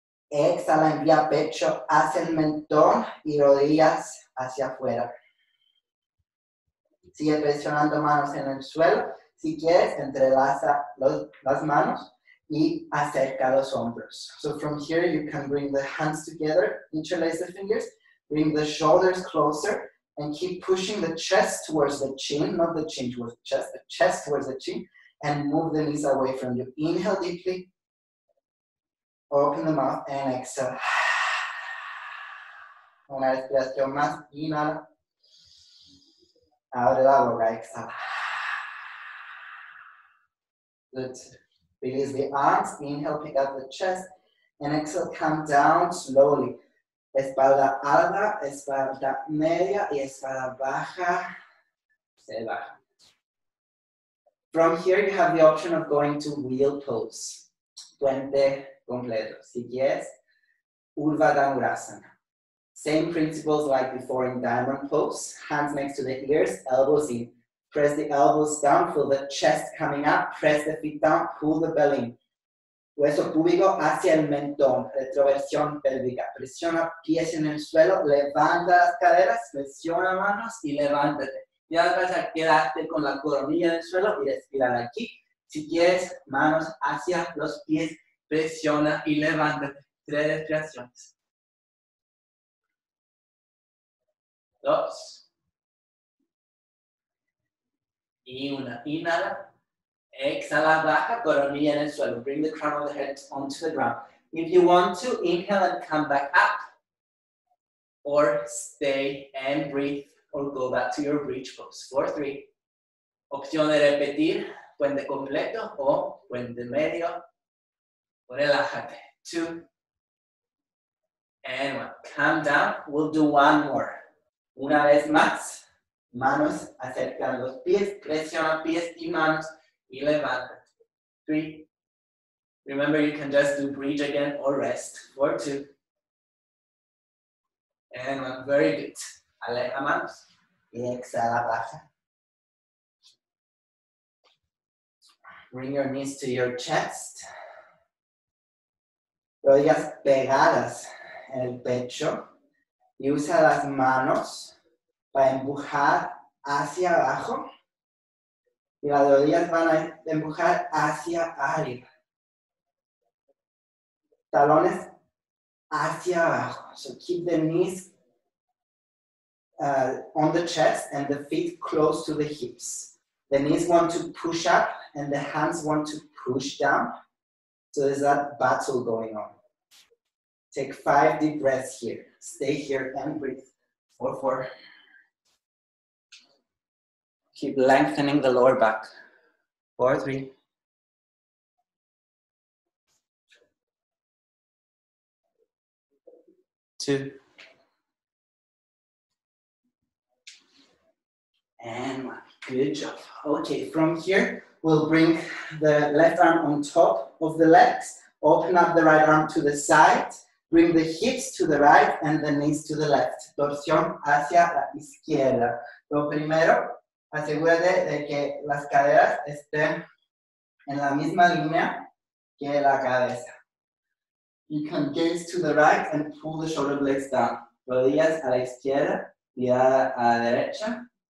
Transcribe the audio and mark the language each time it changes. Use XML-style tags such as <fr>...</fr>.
<es>Exhala, envía pecho hacia el mentón y rodillas hacia afuera. Sigue presionando manos en el suelo. Si quieres, entrelaza las manos y acerca los hombros.</es> <en>So from here, you can bring the hands together. Interlace the fingers. Bring the shoulders closer. And keep pushing the chest towards the chin, not the chin towards the chest, the chest towards the chin, and move the knees away from you. Inhale deeply, open the mouth, and exhale.</en> <es>Una respiración más, inhala. Abre la boca, exhala.</es> <en>Good. Release the arms, inhale, pick up the chest, and exhale, come down slowly.</en> <es>Espalda alta, espalda media, y espalda baja, se baja.</es> <en>From here, you have the option of going to wheel pose.</en> <es>Puente completo. Si quieres, Urva Dhanurasana.</es> <en>Same principles like before in diamond pose. Hands next to the ears, elbows in. Press the elbows down, feel the chest coming up. Press the feet down, pull the belly in.</en> <es>Hueso púbico hacia el mentón, retroversión pélvica. Presiona pies en el suelo, levanta las caderas, presiona manos y levántate. Y ahora vas a quedarte con la coronilla en el suelo y respirar aquí. Si quieres, manos hacia los pies, presiona y levántate. Tres respiraciones. Dos. Y una, inhala. Exhala, baja, coronilla en el suelo.</es> <en>Bring the crown of the head onto the ground. If you want to, inhale and come back up. Or stay and breathe, or go back to your bridge pose. 4, 3.</en> <es>Opción de repetir, puente completo o puente medio. Relájate.</es> <en>2. And 1. Calm down, we'll do one more.</en> <es>Una vez más, manos acercan los pies, presiona pies y manos. Y levanta. 3.</es> <en>Remember, you can just do bridge again or rest. 4, 2. And 1. Very good.</en> <es>Aleja manos. Y exhala, baja.</es> <en>Bring your knees to your chest.</en> <es>rodillas pegadas en el pecho y usa las manos para empujar hacia abajo y las rodillas van a empujar hacia arriba. Talones hacia abajo.</es> <en>So keep the knees on the chest and the feet close to the hips. The knees want to push up and the hands want to push down. So there's that battle going on. Take 5 deep breaths here. Stay here and breathe. 4, 4. Keep lengthening the lower back. 4, 3. And good job. Okay, from here, we'll bring the left arm on top of the legs, open up the right arm to the side, bring the hips to the right and the knees to the left.</en> <es>Torsión hacia la izquierda. Lo primero, asegúrate de que las caderas estén en la misma línea que la cabeza.</es> <en>You can gaze to the right and pull the shoulder blades down.</en> <es>Rodillas a la izquierda, mirada a la derecha.</es>